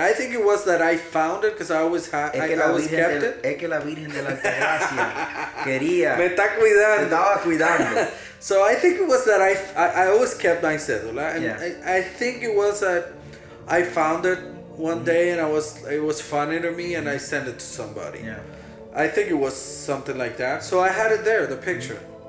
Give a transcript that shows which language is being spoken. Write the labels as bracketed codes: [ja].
[en] I think it was that I found it because I always had kept it. [es] Es que la Virgen de la Gracia quería. Me está cuidando. Me estaba cuidando. [en] So I think it was that I always kept my cédula. And yeah. I think it was that I found it one day and it was funny to me and I sent it to somebody. Yeah. I think it was something like that. So I had it there, the picture. Mm-hmm.